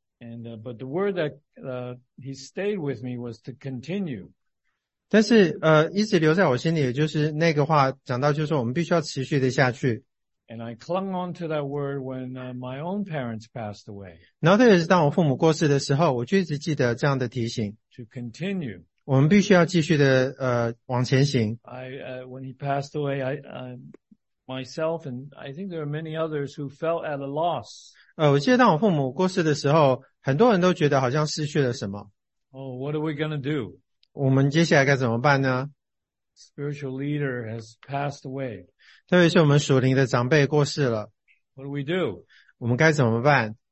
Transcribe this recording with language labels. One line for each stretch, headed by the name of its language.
English: And, but the word that, he stayed with me was to continue.
Chinese: 但是一直留在我心里就是那个话讲到就是说我们必须要持续的下去。
English: And I clung on to that word when, my own parents passed away.
Chinese: 然后特别是当我父母过世的时候，我就一直记得这样的提醒。
English: To continue.
Chinese: 我们必须要继续的往前行。
English: When he passed away, myself and I think there are many others who felt at a loss.
Chinese: 我记得当我父母过世的时候，很多人都觉得好像失去了什么。
English: Oh, what are we going to do?
Chinese: 我们接下来该怎么办呢？
English: Spiritual leader has passed away.
Chinese: 特别是我们属灵的长辈过世了。
English: What do we do?
Chinese: 我们该怎么办？